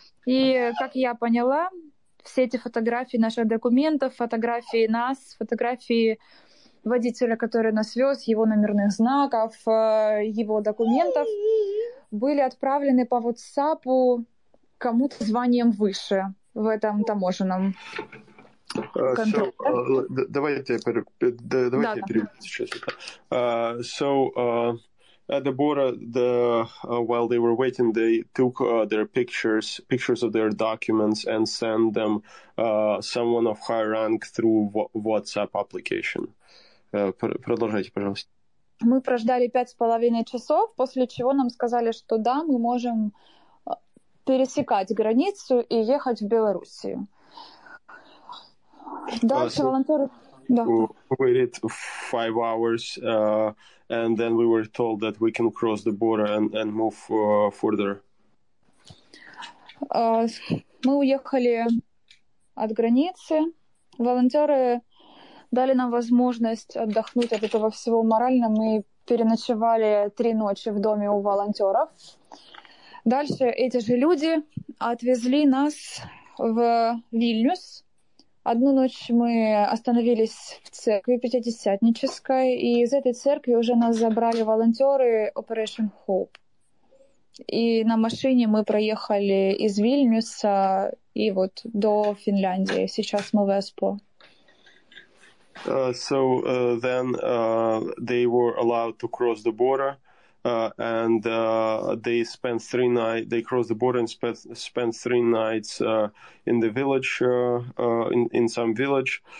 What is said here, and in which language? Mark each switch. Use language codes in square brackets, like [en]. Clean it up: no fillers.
[ru] И, как я поняла... Все эти фотографии наших документов, фотографии нас, фотографии водителя, который нас вез, его номерных знаков, его документов, были отправлены по WhatsApp кому-то званием выше в этом таможенном контроле. Давайте перейдем сейчас. [en] At the border, while they were waiting, they took their pictures of their documents, and sent them someone of high rank through WhatsApp application. [ru] Продолжайте, пожалуйста. Мы прождали 5.5 часов, после чего нам сказали, что да, мы можем пересекать границу и ехать в Белоруссию. Дальше волонтеры... [en] Yeah. We waited 5 hours, and then we were told that we can cross the border and move further. [ru] Мы уехали от границы. Волонтеры дали нам возможность отдохнуть от этого всего морально. Мы переночевали 3 ночи в доме у волонтеров. Дальше эти же люди отвезли нас в Вильнюс. Одну ночь мы остановились в церкви Пятидесятнической, и из этой церкви уже нас забрали волонтеры Operation Hope. И на машине мы проехали из Вильнюса и вот до Финляндии. Сейчас мы в Эспо. [en] So then they were allowed to cross the border. And they spent three nights, they crossed the border and spent three nights in the village, in some village.